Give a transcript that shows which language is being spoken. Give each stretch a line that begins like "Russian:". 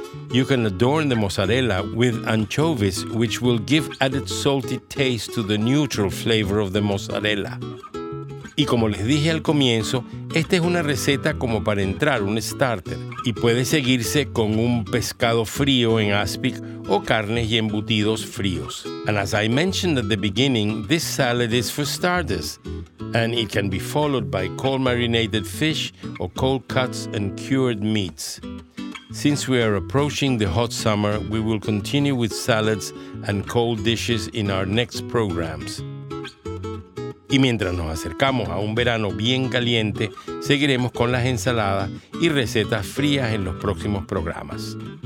English: You can adorn the mozzarella with anchovies, which will give added salty taste to the neutral flavor of the mozzarella.
Spanish: Y como les dije al comienzo, esta es una receta como para entrar, un starter, y puede seguirse con un pescado frío en aspic o carnes y embutidos fríos.
English: And as I mentioned at the beginning, this salad is for starters, and it can be followed by cold marinated fish or cold cuts and cured meats. Since we are approaching the hot summer, we will continue with salads and cold dishes in our next programs.
Spanish: Y mientras nos acercamos a un verano bien caliente, seguiremos con las ensaladas y recetas frías en los próximos programas.